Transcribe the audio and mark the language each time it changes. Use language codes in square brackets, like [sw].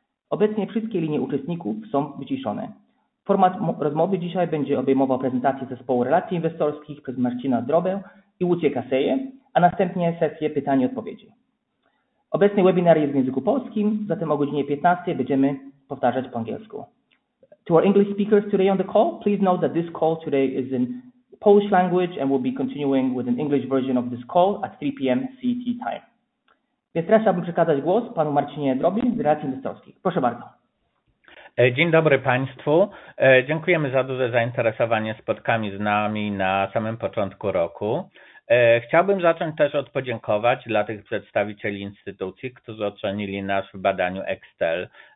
[pl] Obecnie wszystkie linie uczestników są wyciszone. Format rozmowy dzisiaj będzie obejmował prezentację zespołu relacji inwestorskich przez Marcina Drobę i Łucję Kaseję, a następnie sesję pytań i odpowiedzi. Obecny webinar jest w języku polskim, zatem o godzinie 15 będziemy powtarzać po angielsku. [en] To our English speakers today on the call, please note that this call today is in Polish language and we'll be continuing with an English version of this call at 3 p.m. CET time. [pl] Więc teraz chciałbym przekazać głos panu Marcinie Drobi z relacji inwestorskich. Proszę bardzo. Dzień dobry Państwu. Dziękujemy za duże zainteresowanie spotkami z nami na samym początku roku. Chciałbym zacząć też od podziękować dla tych przedstawicieli instytucji, którzy ocenili nas w badaniu Excel.